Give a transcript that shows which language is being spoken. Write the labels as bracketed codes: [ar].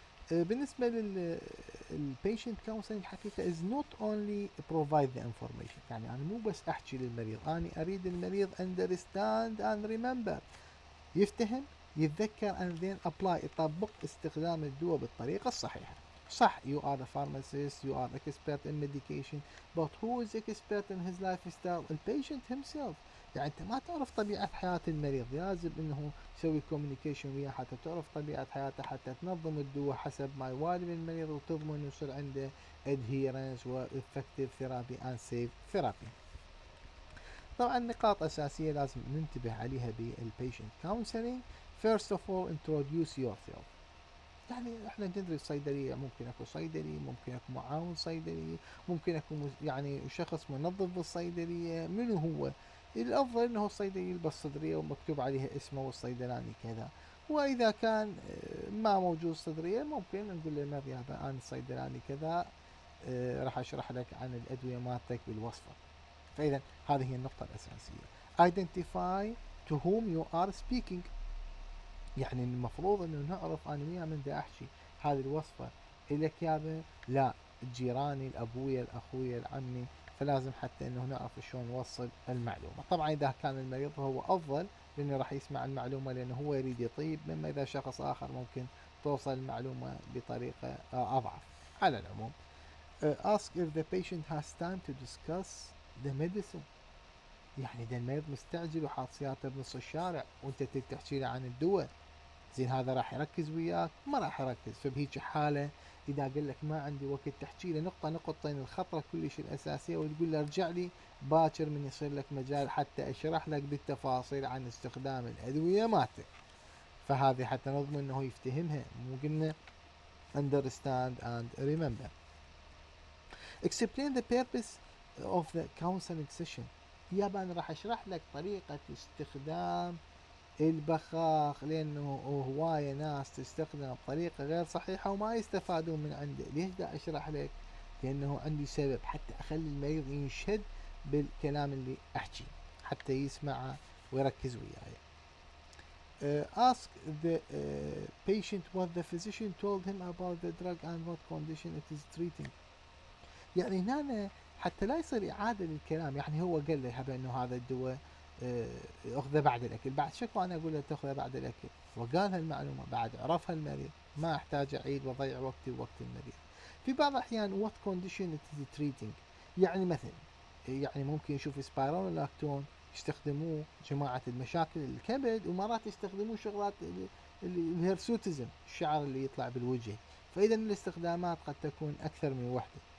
[ar] بالنسبه للبيشنت كونسلنج حقيقه [en] is not only provide the information, [ar] يعني انا مو بس احكي للمريض، انا اريد المريض [en] understand and remember, [ar] يفتهم يتذكر [en] and then apply [ar] يطبق استخدام الدواء بالطريقه الصحيحه. صح [en] you are a pharmacist, you are expert in medication, but who is expert in his lifestyle? The patient himself. [ar] يعني أنت ما تعرف طبيعة حياة المريض، لازم أنه تسوي communication وياه حتى تعرف طبيعة حياته حتى تنظم الدواء حسب ما يوالي من المريض وتضمن يصير عنده adherence و [en] effective therapy and safe therapy. [ar] طبعا نقاط أساسية لازم ننتبه عليها بال patient counseling. [en] First of all, introduce yourself. [ar] يعني احنا ندري الصيدليه ممكن اكو صيدلي، ممكن اكو معاون صيدلي، ممكن اكو يعني شخص منظف بالصيدليه، من هو الافضل انه الصيدلي يلبس صدريه ومكتوب عليها اسمه والصيدلاني كذا، واذا كان ما موجود صدريه ممكن نقول له مريض انا الصيدلاني كذا راح اشرح لك عن الادويه مالتك بالوصفه. فاذا هذه هي النقطه الاساسيه. [en] Identify to whom you are speaking. [ar] يعني المفروض انه نعرف انا ويا من دا احكي، هذه الوصفه الك يابا؟ لا جيراني الابويا الاخويا العمي، فلازم حتى انه نعرف شلون نوصل المعلومه. طبعا اذا كان المريض هو افضل لانه راح يسمع المعلومه لانه هو يريد يطيب، مما اذا شخص اخر ممكن توصل المعلومه بطريقه اضعف. على العموم [en] ask if the patient has time to discuss the medicine. [ar] يعني ده المريض مستعجل وحاط سيارته بنص الشارع وانت تحكي له عن الدواء، زين هذا راح يركز وياك؟ ما راح يركز. فبهيج حاله اذا قال لك ما عندي وقت تحكي له نقطه نقطتين الخطره كلش الاساسيه وتقول له ارجع لي باكر من يصير لك مجال حتى اشرح لك بالتفاصيل عن استخدام الادويه مالتك. فهذه حتى نضمن انه يفتهمها، مو قلنا [en] understand and remember. Explain the purpose of the counseling session. [ar] يابا انا راح اشرح لك طريقة استخدام البخاخ لانه هواية ناس تستخدم بطريقة غير صحيحة وما يستفادون من عنده، ليش دا اشرح لك؟ لانه عندي سبب حتى اخلي المريض ينشد بالكلام اللي احكي حتى يسمعه ويركز وياي. [en] Ask the patient what the physician told him about the drug and what condition it is treating. [ar] يعني هنا أنا حتى لا يصير إعادة للكلام، يعني هو قال لي حبا انه هذا الدواء اخذه بعد الاكل، بعد شكو انا اقول له تاخذه بعد الاكل، وقال هالمعلومة بعد عرفها المريض، ما احتاج اعيد واضيع وقتي ووقت المريض. في بعض الاحيان [en] what condition it is treating، [ar] يعني مثلا يعني ممكن يشوف سبيرونولاكتون يستخدموه جماعة المشاكل الكبد، ومرات يستخدموه شغلات الهيرسوتزم الشعر اللي يطلع بالوجه، فاذا الاستخدامات قد تكون اكثر من وحدة.